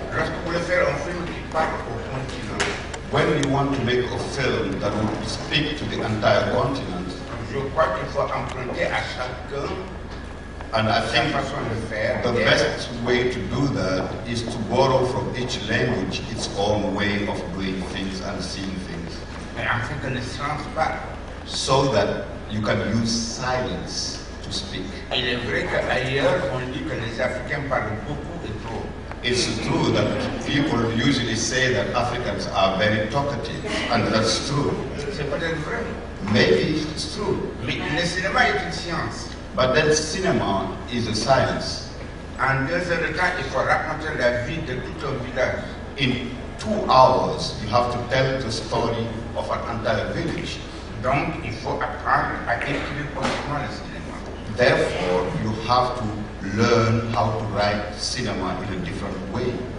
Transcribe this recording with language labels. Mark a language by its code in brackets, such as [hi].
[fr] Lorsque vous voulez faire un film qui parle au continent. [en] When you want to make a film that would speak to the entire continent, [fr] je crois qu'il faut emprunter à chacun, [en] and I think [fr] façon de faire, [en] the best way to do that is to borrow from each language its own way of doing things and seeing things. [fr] Mais en fait, ne silence pas. [en] So that you can use silence to speak. [fr] Il est vrai que ailleurs, on dit que les Africains parlent beaucoup et trop. [en] It's true that people usually say that Africans are very talkative, and that's true. Maybe it's true. [fr] Mais le cinéma est une science. [en] But then cinema is a science. [fr] En deux heures de temps, il faut raconter la vie de tout un village. [en] In 2 hours, you have to tell the story of an entire village. [fr] Donc, il faut apprendre à écrire correctement le cinéma. [en] Therefore, you have to learn how to write cinema in a different way.